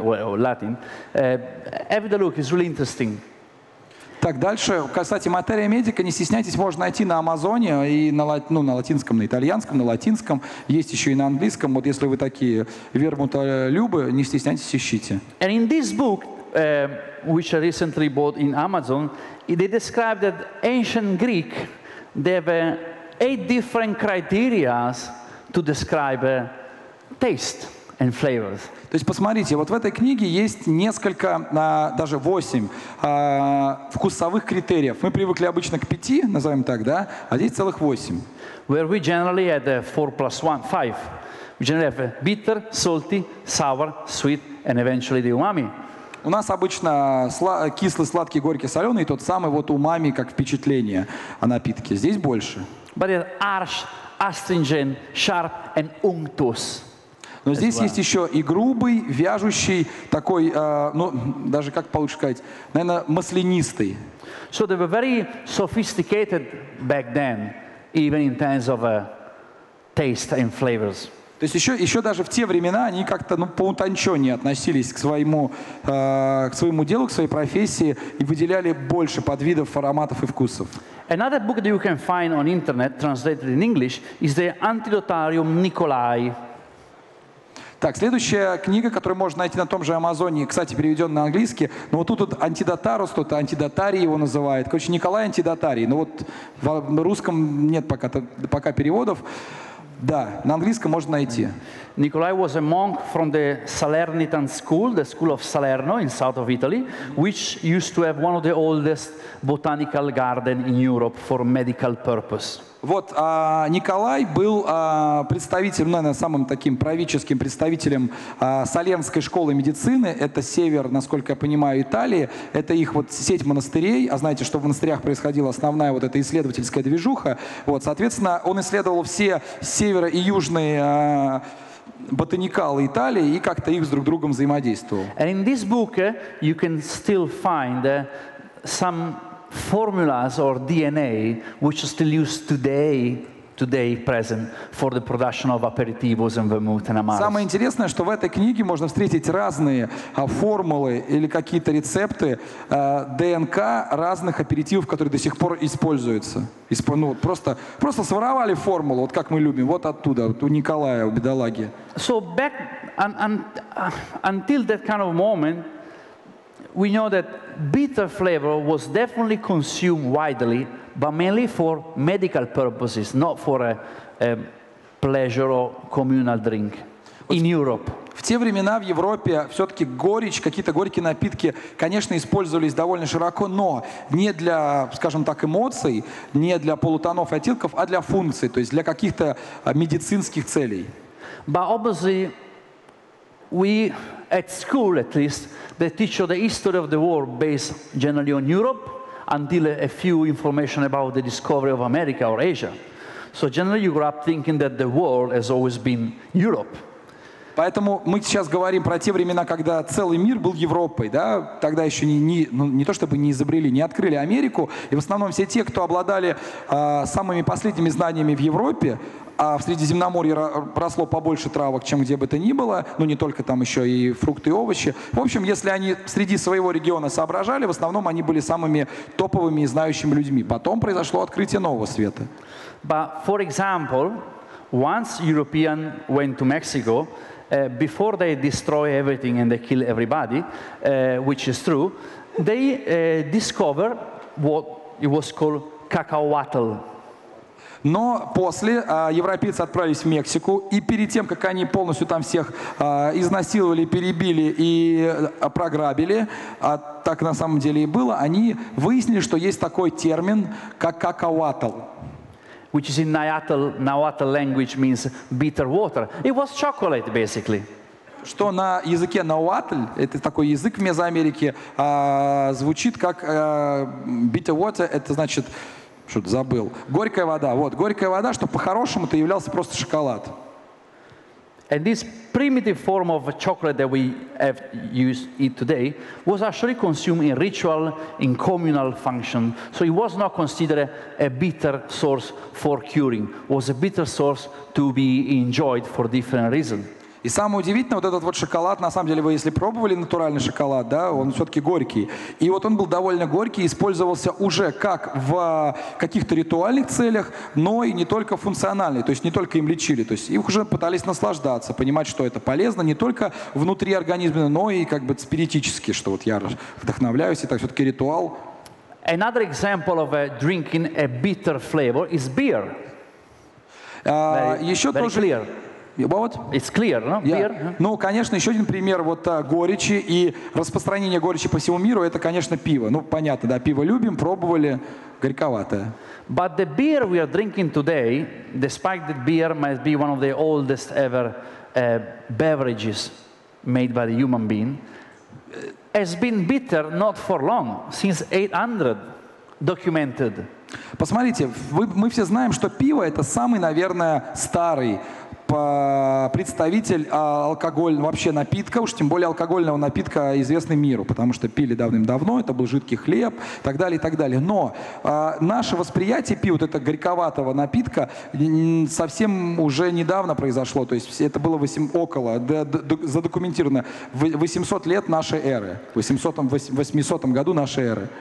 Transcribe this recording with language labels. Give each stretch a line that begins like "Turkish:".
English: Or Latin. Have a look, it's really interesting.
Russian: Так, дальше, кстати, Materia Medica, не стесняйтесь, можно найти на Амазоне, и на латинском, на итальянском, на латинском, есть еще и на английском. Вот если вы такие вермутолюбы, не стесняйтесь, ищите.
English: And in this book, which I recently bought in Amazon, they describe that ancient Greek, they have eight different criteria to describe taste and flavors.
Russian: То есть посмотрите, вот в этой книге есть несколько, даже 8 вкусовых критериев. Мы привыкли обычно к 5, назовем так, да? А здесь целых 8.
English: Where we generally had 4+1, 5. We generally have bitter, salty, sour, sweet, and eventually the umami.
Russian: У нас обычно кислый, сладкий, горький, соленый, и тот самый вот умами как впечатление о напитке. Здесь больше.
English: But it's harsh, astringent, sharp, and unctuous.
Russian: Но здесь
English: well.
Russian: Есть еще и грубый, вяжущий, такой, даже как получше сказать, наверное, маслянистый.
English: So they were very sophisticated back then, even in terms of taste and flavors.
Russian: То есть еще даже в те времена они как-то поутонченнее относились к своему делу, к своей профессии и выделяли больше подвидов, ароматов и вкусов.
English: Another book that you can find on internet, translated in English, is the Antidotarium Nicolai.
Russian: Так, следующая книга, которую можно найти на том же Амазоне, кстати, переведен на английский, но вот тут антидотарус, кто-то антидотарий его называет. Короче, Николай Антидотарий, но вот в русском нет пока переводов. Да, на английском можно найти.
English: Николай was a monk from the Salernitan school, the school of Salerno in south of Italy, which used to have one of the oldest botanical garden in Europe for medical purpose.
Russian: Вот, Николай был представителем, наверное, самым таким правительским представителем Салернской школы медицины. Это север, насколько я понимаю, Италии. Это их вот сеть монастырей. А знаете, что в монастырях происходила основная вот эта исследовательская движуха. Вот, соответственно, он исследовал все северо- и южные ботаникалы Италии и как-то их с друг другом взаимодействовал.
English: And in this book you can still find some formulas or DNA which are still used today present for the production of aperitivos and vermouth and amaros.
Russian: Самое интересное, что в этой книге можно встретить разные формулы или какие-то рецепты ДНК разных аперитивов, которые до сих пор используются. Просто своровали формулу, вот как мы любим, вот оттуда, вот у Николая, у бедолаги.
English: So back until that kind of moment, we know that bitter flavor was definitely consumed widely, but mainly for medical purposes, not for a pleasure or communal drink in Europe.
Russian: В те времена в Европе все-таки горечь, какие-то горькие напитки, конечно, использовались довольно широко, но не для, скажем так, эмоций, не для полутонов и оттенков, а для функций, то есть для каких-то медицинских целей.
English: But obviously, we at school, at least, they teach you the history of the world based generally on Europe until a few information about the discovery of America or Asia. So generally you grew up thinking that the world has always been Europe.
Russian: Поэтому мы сейчас говорим про те времена, когда целый мир был Европой, да? Тогда еще не открыли Америку. И в основном все те, кто обладали самыми последними знаниями в Европе, а в Средиземноморье росло побольше травок, чем где бы то ни было, не только там еще и фрукты и овощи. В общем, если они среди своего региона соображали, в основном они были самыми топовыми и знающими людьми. Потом произошло открытие нового света.
English: But for example, once European went to Mexico, before they destroy everything and they kill everybody, which is true, they discover what it was called cacahuatl.
Russian: Но после европейцы отправились в Мексику, и перед тем, как они полностью там всех изнасиловали, перебили и програбили, а так на самом деле и было, они выяснили, что есть такой термин, как cacahuatl.
English: Which is in Nahuatl language means bitter water. It was chocolate, basically.
Russian: Что на языке Nahuatl, это такой язык в Мезоамерике, звучит как
English: bitter water,
Russian: это значит, что-то забыл, горькая вода. Вот, горькая вода, что по-хорошему-то являлся просто шоколад.
English: And this primitive form of chocolate that we have used it today was actually consumed in ritual, in communal function. So it was not considered a bitter source for curing. It was a bitter source to be enjoyed for different reasons.
Russian: И самое удивительное, вот этот вот шоколад, на самом деле, вы если пробовали натуральный шоколад, да, он все-таки горький. И вот он был довольно горький, использовался уже как в каких-то ритуальных целях, но и не только функциональный, то есть не только им лечили. То есть их уже пытались наслаждаться, понимать, что это полезно не только внутри организма, но и как бы спиритически, что вот я вдохновляюсь, и так все-таки ритуал.
English: Another example of drinking a bitter flavor is beer.
Russian: Еще тоже...
English: About? It's clear, no? Yeah. Beer?
Russian: Ну, конечно, еще один пример вот горечи и распространение горечи по всему миру, это, конечно, пиво. Ну, понятно, да, пиво любим, пробовали, горьковатое.
English: But the beer we are drinking today, despite that beer might be one of the oldest ever beverages made by the human being, has been bitter not for long, since 800 documented.
Russian: Посмотрите, мы все знаем, что пиво это самый, наверное, старый представитель алкоголь, вообще напитка, уж тем более алкогольного напитка, известный миру, потому что пили давным-давно, это был жидкий хлеб, и так далее, и так далее. Но наше восприятие пива, вот этого горьковатого напитка, совсем уже недавно произошло, то есть это было задокументировано, 800 лет нашей эры, в 800 году нашей эры.